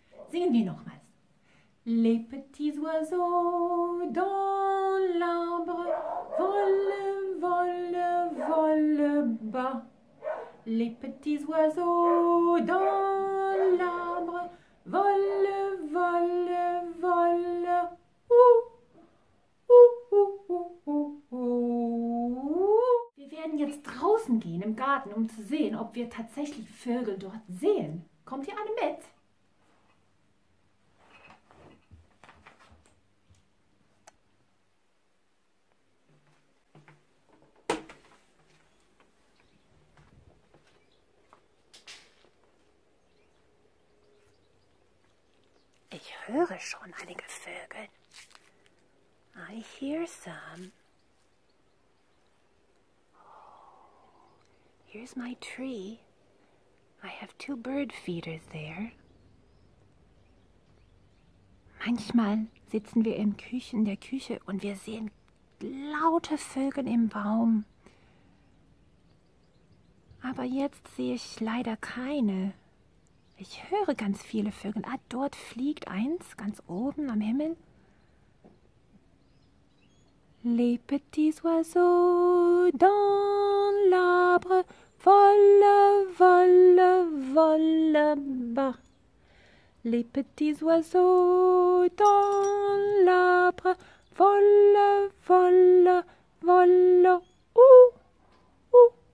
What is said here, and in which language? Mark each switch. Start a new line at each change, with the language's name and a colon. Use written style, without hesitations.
German: Singen wir nochmals.
French: Les petits oiseaux dans l'arbre volent, volent, volent bas. Les petits oiseaux dans l'arbre volent, volent,
German: volent Wir werden jetzt draußen gehen im Garten, um zu sehen, ob wir tatsächlich Vögel dort sehen. Kommt ihr alle mit? Ich höre schon einige Vögel.
English: I hear some. Here's my tree. I have two bird feeders there.
German: Manchmal sitzen wir in der Küche und wir sehen laute Vögel im Baum. Aber jetzt sehe ich leider keine. Ich höre ganz viele Vögel. Ah, dort fliegt eins, ganz oben am Himmel.
French: Les petits oiseaux dans l'arbre volent, volent, volent bas. Les petits oiseaux dans l'arbre volent, volent, volent haut.